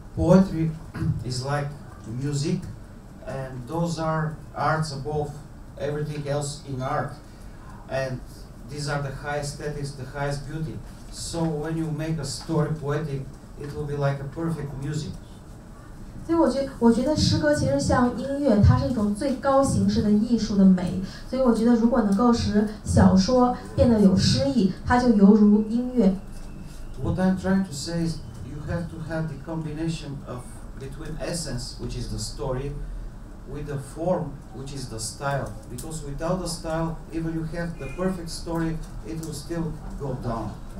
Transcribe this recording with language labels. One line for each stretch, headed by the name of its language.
English: poetry is like music, and those are arts above everything else in art, and these are the highest aesthetics, the highest beauty. So when you make a story poetic, it will be like a perfect music.
Chinese: 所以我觉得诗歌其实像音乐，它是一种最高形式的艺术的美。所以我觉得，如果能够使小说变得有诗意，它就犹如音乐。
English: What I'm trying to say is, you have to have the combination of between essence, which is the story, with the form, which is the style. Because without the style, even you have the perfect story, it will still go down.